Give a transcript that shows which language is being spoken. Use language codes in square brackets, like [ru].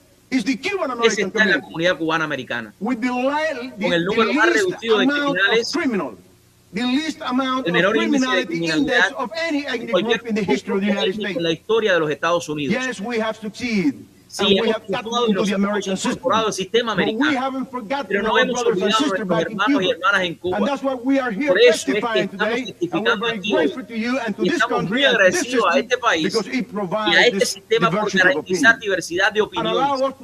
[es] Es estar en la comunidad cubana americana. Con el número más reducido de criminales. [en] The least amount [es] el menor [en] of criminality [es] índice de criminalidad [en] of any group in the history of the United States. [es] En la historia de los Estados Unidos. [en] Yes, we have succeeded. [es] Sí, and hemos triunfado y nos hemos incorporado al sistema americano, pero no hemos olvidado a nuestros hermanos y hermanas en Cuba. Por eso es que estamos testificando aquí hoy y estamos muy agradecidos a este país y a este sistema por garantizar diversidad de opiniones,